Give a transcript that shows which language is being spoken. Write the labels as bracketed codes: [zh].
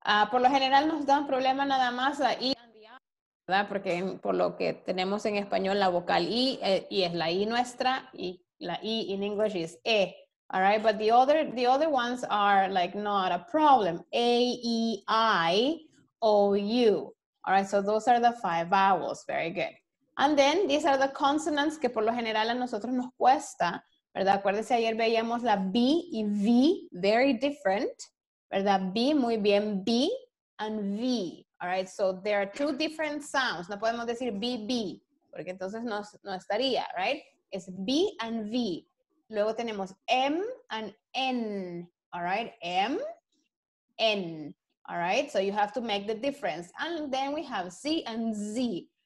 [es] Por lo general nos dan problema nada más a E. ¿Verdad? Porque por lo que tenemos en español la vocal I, y es la I nuestra, y la I [en] in English is E, all right? But the other ones are like not a problem, A, E, I, O, U, all right? So those are the five vowels, very good. And then these are the consonants [es] que por lo general a nosotros nos cuesta, ¿verdad? Acuérdense, ayer veíamos la B y V, [en] very different, [es] ¿verdad? B, muy bien, B and V. [en] All right, so there are two different sounds. [es] No podemos decir BB, porque entonces no estaría, right? [en] It's B and V. Luego tenemos M and N, all right? M, N, all right? So you have to make the difference. And then we have C and Z.